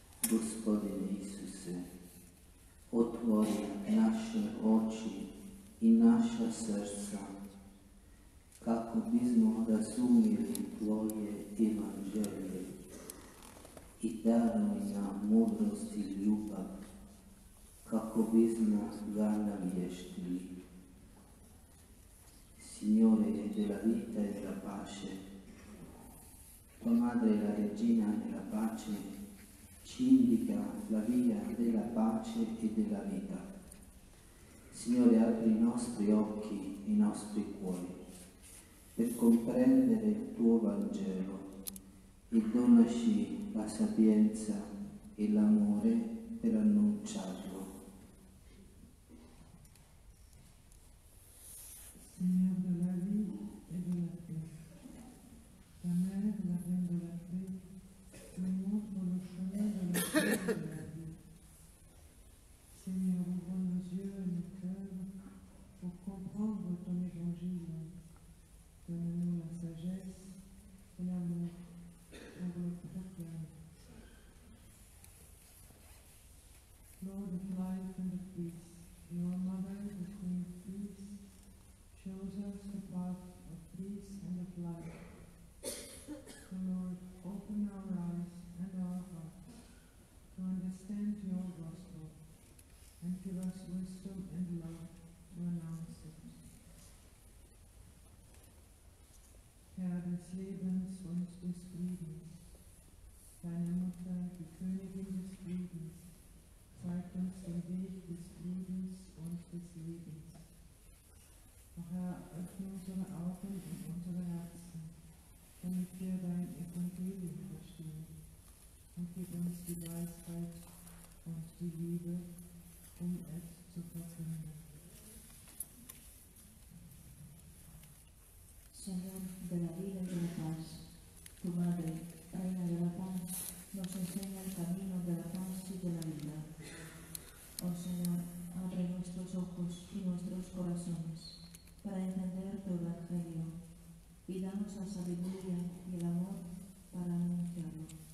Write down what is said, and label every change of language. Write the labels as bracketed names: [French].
[Croatian] Gospodine Isuse, otvori naše oči i naša srca, kako bismo razumjeli Tvoje evanđelje i daruj nam mudrost i ljubav, kako bismo ga navještili. [Italian] Signore della vita e della pace, tua madre la regina della pace, ci indica la via della pace e della vita. Signore, apri i nostri occhi, i nostri cuori, per comprendere il tuo Vangelo e donaci la sapienza e l'amore per annunciarlo. [Spanish] Señor de la vida y de la fe, la madre de la reina de la fe, venimos por los caminos de la fe de la vida. [French] Señor, ouvre nos yeux et nos cœurs pour comprendre ton évangile. Donne-nous la sagesse et l'amour pour le proclamer. [English] Lord of life and of peace, you are mother of the Queen of peace. Shows us the path of peace and of life. So Lord, open our eyes and our hearts to understand your gospel and give us wisdom and love to announce it. [German] Herr des Lebens und des Friedens, deine Mutter, die Königin des Friedens, zeigt uns den Weg des Friedens und des Lebens. Herr, öffne unsere Augen und unsere Herzen, damit wir dein Evangelium verstehen und gib uns die Weisheit und die Liebe, um es zu verkünden. [Spanish] Señor de la vida y de la paz, tu madre, reina de la paz, nos enseña el camino de la paz y de la vida. Oh Señor, abre nuestros ojos y nuestros corazones para entender tu evangelio y danos la sabiduría y el amor para anunciarlo.